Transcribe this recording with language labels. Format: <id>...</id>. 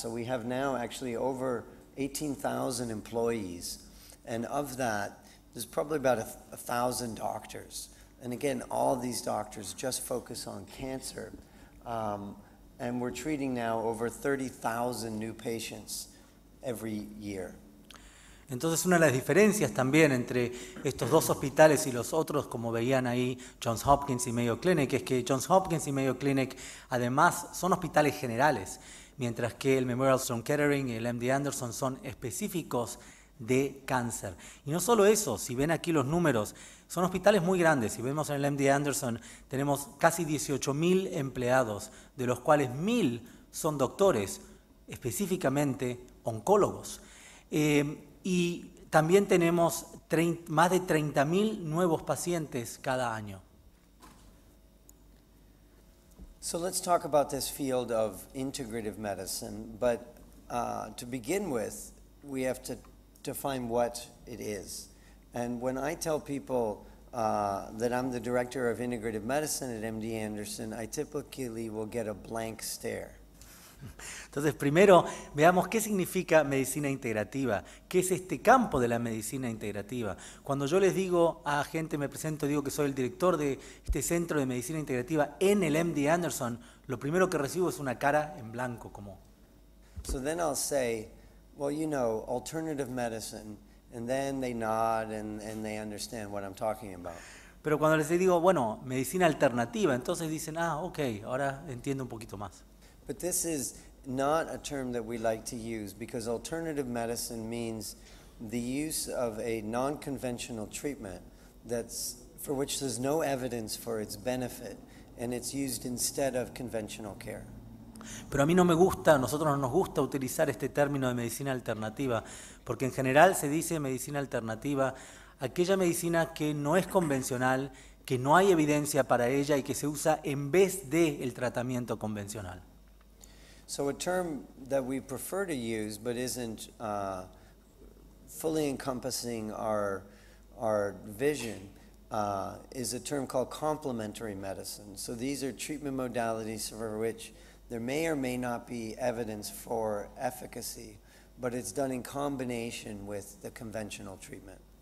<en>So we have now actually over 18,000 employees. And of that, there's probably about 1,000 doctors. And again, all these doctors just focus on cancer. And we're treating now over 30,000 new patients every year.</en> <es>Entonces, una de las diferencias también entre estos dos hospitales y los otros, como veían ahí, Johns Hopkins y Mayo Clinic, es que Johns Hopkins y Mayo Clinic, además, son hospitales generales, mientras que el Memorial Sloan Kettering y el MD Anderson son específicos de cáncer. Y no solo eso, si ven aquí los números, son hospitales muy grandes. Si vemos en el MD Anderson, tenemos casi 18,000 empleados, de los cuales 1,000 son doctores, específicamente oncólogos. Y también tenemos más de 30,000 nuevos pacientes cada año.</es> <en>So let's talk about this field of integrative medicine, but to begin with, we have to define what it is. And when I tell people that I'm the director of integrative medicine at MD Anderson, I typically will get a blank stare.</en> <es>Entonces, primero, veamos qué significa medicina integrativa. ¿Qué es este campo de la medicina integrativa? Cuando yo les digo a gente, me presento, digo que soy el director de este centro de medicina integrativa en el MD Anderson, lo primero que recibo es una cara en blanco, como...</es> <en>So then I'll say, well, you know, alternative medicine, and then they nod and they understand what I'm talking about.</en> <es>Pero cuando les digo, bueno, medicina alternativa, entonces dicen, ah, okay, ahora entiendo un poquito más.</es> <en>But this is not a term that we like to use, because alternative medicine means the use of a non-conventional treatment that's for which there's no evidence for its benefit, and it's used instead of conventional care.</en> <es>Pero a mí no me gusta, a nosotros no nos gusta utilizar este término de medicina alternativa, porque en general se dice medicina alternativa aquella medicina que no es convencional, que no hay evidencia para ella y que se usa en vez de el tratamiento convencional.</es> <en>So a term that we prefer to use but isn't fully encompassing our vision is a term called complementary medicine. So these are treatment modalities for which there may or may not be evidence for efficacy, but it's done in combination with the conventional treatment.</en>